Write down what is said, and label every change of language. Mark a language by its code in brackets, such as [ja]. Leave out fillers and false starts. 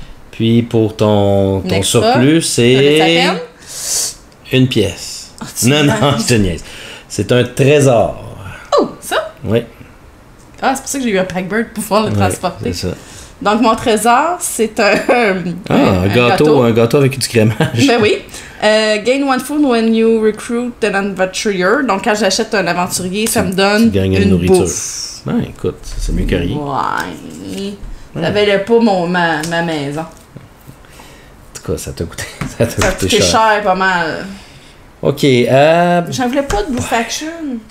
[fr] Puis, pour ton surplus, c'est... une pièce. Oh, non, je te niaise. C'est un trésor. Oh, ça? Oui. Ah, c'est pour ça que j'ai eu un Pack Bird pour pouvoir le transporter. C'est ça. Donc, mon trésor, c'est un... Un gâteau avec du crémage. Ben oui. [en] Gain one food when you recruit an adventurer. [fr] Donc, quand j'achète un aventurier, ça me donne une bouffe. Tu gagnes une nourriture. Bouffe. Ben, écoute, c'est mieux que rien. Ouais. Ça valait pas ma maison. En tout cas, ça t'a coûté cher. Cher, pas mal. OK. J'en voulais pas de bouffe action.